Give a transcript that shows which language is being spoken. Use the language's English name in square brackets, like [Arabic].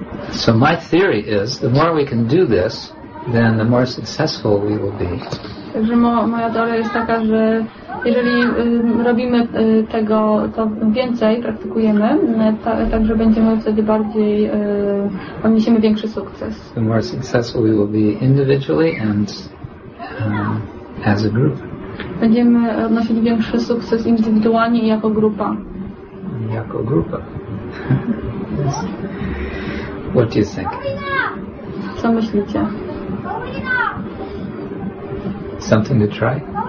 [English] So my theory is, the more we can do this, then the more successful we will be. [Polish] Także moja teoria jest taka, że jeżeli robimy tego, to więcej praktykujemy, także będziemy wtedy bardziej, odniesiemy większy sukces. [English] The more successful we will be individually and as a group. [Polish] Będziemy odnosili większy sukces indywidualnie i jako grupa. Jako grupa. [English] What do you think? [Polish] Co myślicie? [English] Something to try?